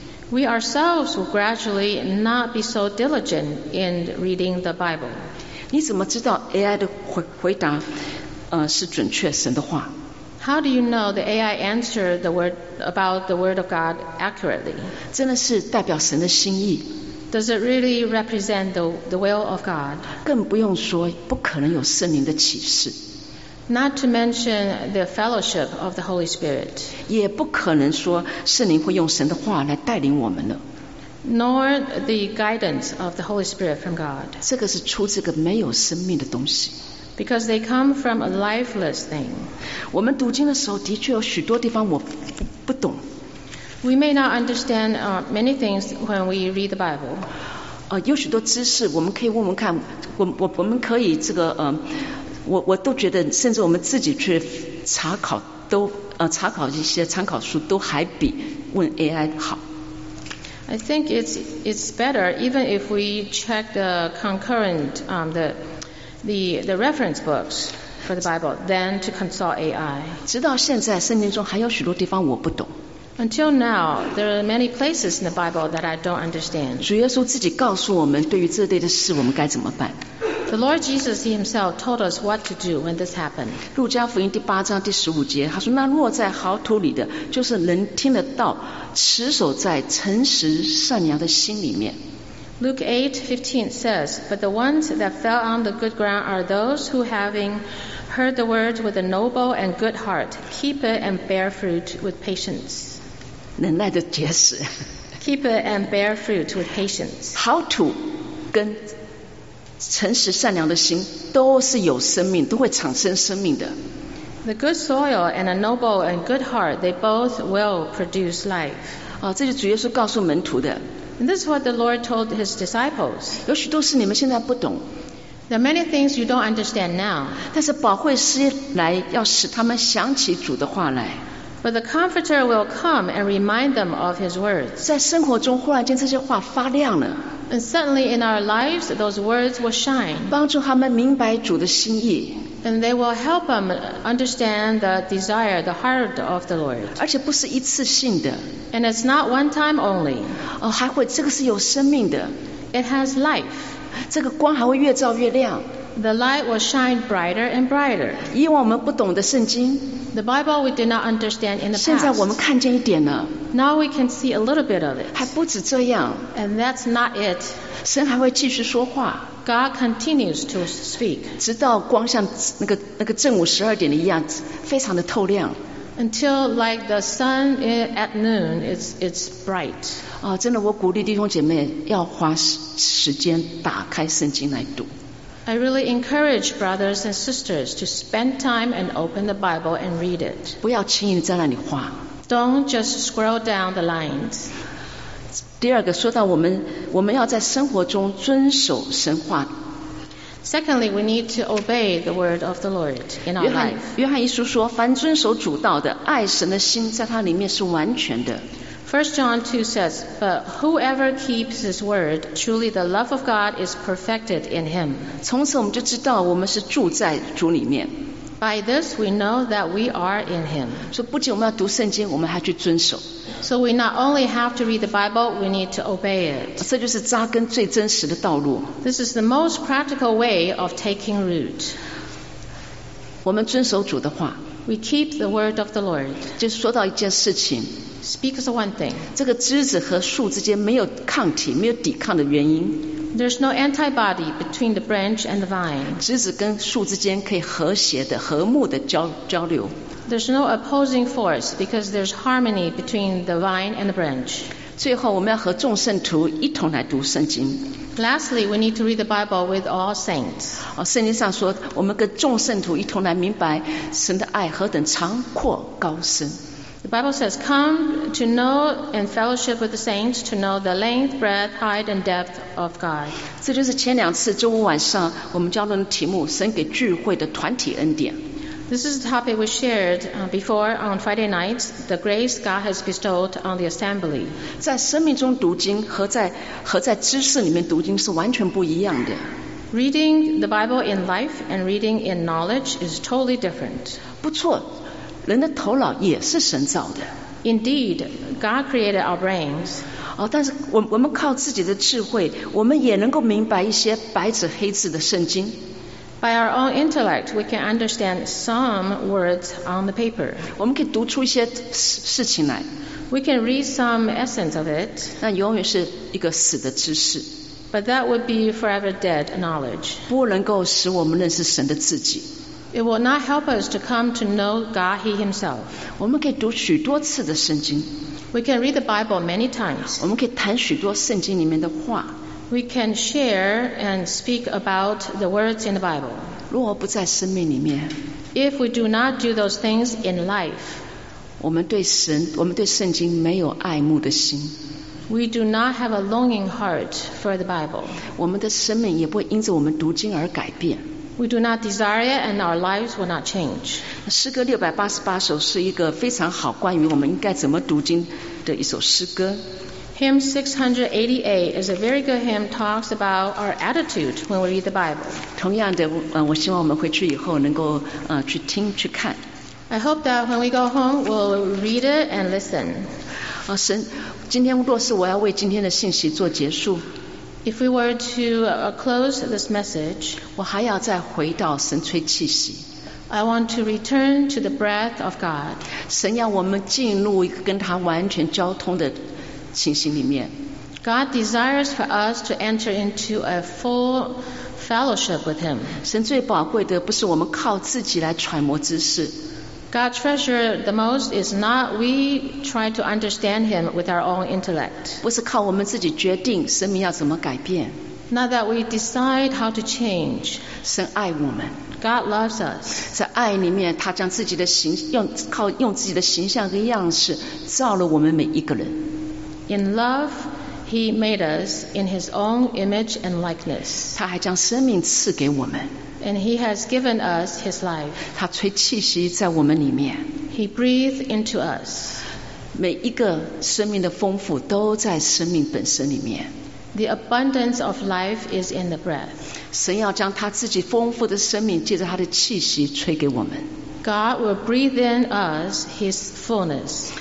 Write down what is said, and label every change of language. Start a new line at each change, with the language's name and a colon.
English: We ourselves will gradually not be so diligent in reading the Bible.
Chinese: 你怎么知道 AI 的回答，是准确神的话
English: ？How do you know the AI answer the word about the word of God accurately?
Chinese: 真的是代表神的心意。
English: Does it really represent the will of God?
Chinese: 更不用说，不可能有圣灵的启示。
English: Not to mention the fellowship of the Holy Spirit.
Chinese: 也不可能说圣灵会用神的话来带领我们了。
English: Nor the guidance of the Holy Spirit from God.
Chinese: 这个是出自个没有生命的东西。
English: Because they come from a lifeless thing.
Chinese: 我们读经的时候，的确有许多地方我不懂。
English: We may not understand many things when we read the Bible.
Chinese: 有许多知识我们可以问问看，我们可以这个我都觉得，甚至我们自己去查考都查考一些参考书都还比问 AI 好。
English: I think it's better even if we check the concurrent the reference books for the Bible than to consult AI.
Chinese: 直到现在，圣经中还有许多地方我不懂。
English: Until now, there are many places in the Bible that I don't understand.
Chinese: 主耶稣自己告诉我们，对于这类的事，我们该怎么办？
English: The Lord Jesus Himself told us what to do when this happened.
Chinese: 路加福音第八章第十五节，他说：“那落在好土里的，就是人听得到，持守在诚实善良的心里面。”
English: Luke 8:15 says, "But the ones that fell on the good ground are those who having heard the word with a noble and good heart, keep it and bear fruit with patience."
Chinese: 能耐的结实。
English: Keep it and bear fruit with patience.
Chinese: 好土跟诚实善良的心都是有生命，都会产生生命的。
English: The good soil and a noble and good heart, they both will produce life.
Chinese: 这就是主耶稣告诉门徒的。
English: And this is what the Lord told his disciples.
Chinese: 有许多事你们现在不懂。
English: There are many things you don't understand now.
Chinese: 但是保惠师来，要使他们想起主的话来。
English: But the Comforter will come and remind them of his words.
Chinese: 在生活中忽然间这些话发亮了。
English: And suddenly in our lives, those words will shine.
Chinese: 帮助他们明白主的心意。
English: And they will help them understand the desire, the heart of the Lord.
Chinese: 而且不是一次性的。
English: And it's not one time only.
Chinese: 还会，这个是有生命的。
English: It has life.
Chinese: 这个光还会越照越亮。
English: The light will shine brighter and brighter.
Chinese: 以往我们不懂的圣经。
English: The Bible we did not understand in the past.
Chinese: 现在我们看见一点了。
English: Now we can see a little bit of it.
Chinese: 还不止这样。
English: And that's not it.
Chinese: 神还会继续说话。
English: God continues to speak.
Chinese: 直到光像那个正午十二点的一样，非常的透亮。
English: Until like the sun at noon, it's bright.
Chinese: 真的，我鼓励弟兄姐妹要花时间打开圣经来读。
English: I really encourage brothers and sisters to spend time and open the Bible and read it.
Chinese: 不要轻易在那里划。
English: Don't just scroll down the lines.
Chinese: 第二个，说到我们要在生活中遵守神话。
English: Secondly, we need to obey the word of the Lord in our life.
Chinese: 约翰一书说，凡遵守主道的，爱神的心在他里面是完全的。
English: First John 2 says, "But whoever keeps his word, truly the love of God is perfected in him."
Chinese: 从此我们就知道我们是住在主里面。
English: By this we know that we are in him.
Chinese: 所以不仅我们要读圣经，我们还去遵守。
English: So we not only have to read the Bible, we need to obey it.
Chinese: 这就是扎根最真实的道路。
English: This is the most practical way of taking root.
Chinese: 我们遵守主的话。
English: We keep the word of the Lord.
Chinese: 就说到一件事情。
English: Speak of one thing.
Chinese: 这个枝子和树之间没有抗体，没有抵抗的原因。
English: There's no antibody between the branch and the vine.
Chinese: 枝子跟树之间可以和谐的、和睦的交流。
English: There's no opposing force because there's harmony between the vine and the branch.
Chinese: 最后，我们要和众圣徒一同来读圣经。
English: Lastly, we need to read the Bible with all saints.
Chinese: 圣经上说，我们跟众圣徒一同来明白神的爱何等长阔高深。
English: The Bible says, "Come to know and fellowship with the saints, to know the length, breadth, height, and depth of God."
Chinese: 这就是前两次周五晚上我们交流的题目，神给聚会的团体恩典。
English: This is the topic we shared before on Friday night, the grace God has bestowed on the assembly.
Chinese: 在生命中读经和在知识里面读经是完全不一样的。
English: Reading the Bible in life and reading in knowledge is totally different.
Chinese: 不错。人的头脑也是神造的。
English: Indeed, God created our brains.
Chinese: 但是我们靠自己的智慧，我们也能够明白一些白纸黑字的圣经。
English: By our own intellect, we can understand some words on the paper.
Chinese: 我们可以读出一些事情来。
English: We can read some essence of it.
Chinese: 那永远是一个死的知识。
English: But that would be forever dead knowledge.
Chinese: 不能够使我们认识神的自己。
English: It will not help us to come to know God He Himself.
Chinese: 我们可以读许多次的圣经。
English: We can read the Bible many times.
Chinese: 我们可以谈许多圣经里面的话。
English: We can share and speak about the words in the Bible.
Chinese: 如果不在生命里面。
English: If we do not do those things in life.
Chinese: 我们对神，我们对圣经没有爱慕的心。
English: We do not have a longing heart for the Bible.
Chinese: 我们的生命也不会因着我们读经而改变。
English: We do not desire it, and our lives will not change.
Chinese: 诗歌六百八十八首是一个非常好关于我们应该怎么读经的一首诗歌。
English: Hymn 688 is a very good hymn. Talks about our attitude when we read the Bible.
Chinese: 同样的，我希望我们回去以后能够去听去看。
English: I hope that when we go home, we'll read it and listen.
Chinese: 神，今天若是我要为今天的信息做结束。
English: If we were to close this message,
Chinese: 我还要再回到神吹气息。
English: I want to return to the breath of God.
Chinese: 神要我们进入一个跟他完全交通的情形里面。
English: God desires for us to enter into a full fellowship with Him.
Chinese: 神最宝贵的不是我们靠自己来揣摩知识。
English: God treasure the most is not we try to understand Him with our own intellect.
Chinese: 不是靠我们自己决定生命要怎么改变。
English: Not that we decide how to change.
Chinese: 神爱我们。
English: God loves us.
Chinese: 在爱里面，他将自己的形用靠用自己的形象跟样式造了我们每一个人。
English: In love, He made us in His own image and likeness.
Chinese: 他还将生命赐给我们。
English: And He has given us His life.
Chinese: 他吹气息在我们里面。
English: He breathed into us.
Chinese: 每一个生命的丰富都在生命本身里面。
English: The abundance of life is in the breath.
Chinese: 神要将他自己丰富的生命借着他的气息吹给我们。
English: God will breathe in us His fullness.